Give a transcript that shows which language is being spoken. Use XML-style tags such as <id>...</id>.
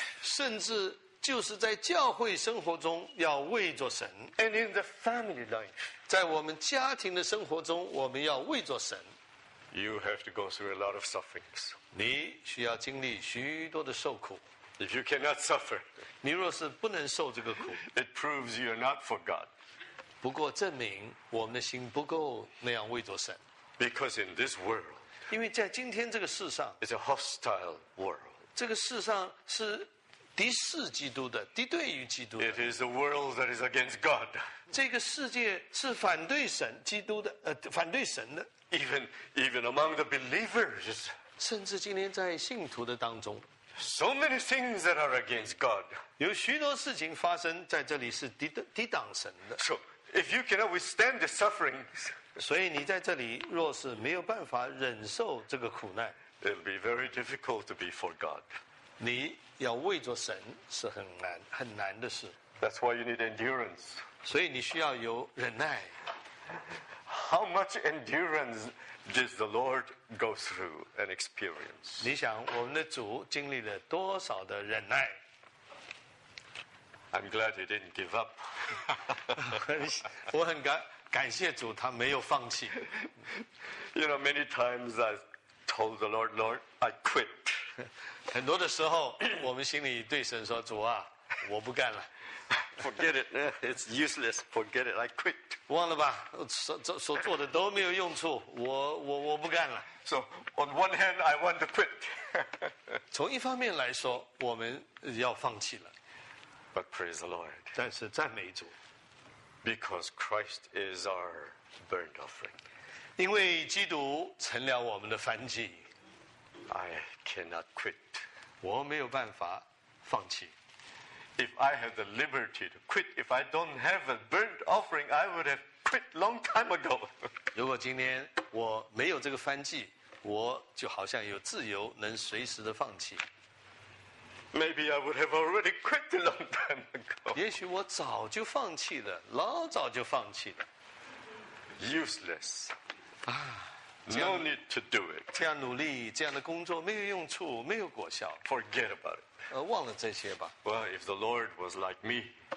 <zh>甚至就是在教会生活中要为着神</zh> <en>，and in the family life，</en> <zh>在我们家庭的生活中，我们要为着神。</zh> <en>You have to go through a lot of sufferings。</en> <zh>你需要经历许多的受苦。</zh> <en>If you cannot suffer，</en> <zh>你若是不能受这个苦</zh> <en>，it proves you are not for God。</en> <zh>不过证明我们的心不够那样为着神。</zh> <en>Because in this world，</en> <zh>因为在今天这个世上</zh> <en>，it's a hostile world。</en> <zh>这个世上是。敌视基督的，敌对于基督的。</zh> <en>It is the world that is against God.</en> <zh>这个世界是反对神、基督的，反对神的。</zh> <en>Even among the believers.</en> <zh>甚至今天在信徒的当中。</zh> <en>So many things that are against God.</en> <zh>有许多事情发生在这里是抵挡神的。</zh> <en>So if you cannot withstand the sufferings.</en> <zh>所以你在这里若是没有办法忍受这个苦难。</zh> <en>It'll be very difficult to be for God.</en> <zh>你。要为着神是很难很难的事。</zh> <en>That's why you need endurance.</en> <zh>所以你需要有忍耐。</zh> <en>How much endurance does the Lord go through and experience?</en> <zh>你想我们的主经历了多少的忍耐</zh> <en>？I'm glad he didn't give up.</en> <zh>我很感谢主，他没有放弃。</zh> <en>You know, many times I told the Lord, Lord, I quit.</en> <zh>很多的时候，我们心里对神说：“主啊，我不干了。”</zh> <en>Forget it, it's useless. Forget it, I quit.</en> <zh>忘了吧，所做的都没有用处，我不干了。</zh> <en>So on one hand, I want to quit.</en> <zh>从一方面来说，我们要放弃了。</zh> <en>But praise the Lord.</en> <zh>但是赞美主。</zh> <en>Because Christ is our burnt offering.</en> <zh>因为基督成了我们的燔祭。</zh> <en>I cannot quit.</en> <zh>我没有办法放弃。</zh> <en>If I have the liberty to quit, if I don't have a burnt offering, I would have quit long time ago.</en> <zh>如果今天我没有这个燔祭，我就好像有自由，能随时的放弃。</zh> <en>Maybe I would have already quit a long time ago.</en> <zh>也许我早就放弃了，老早就放弃了。</zh> <en>Useless. No need to do it.</en> <zh>这样努力，这样的工作没有用处，没有果效。</zh> <en>Forget about it.</en> <zh>忘了这些吧。</zh> <en>Well, if the Lord was like me,</en>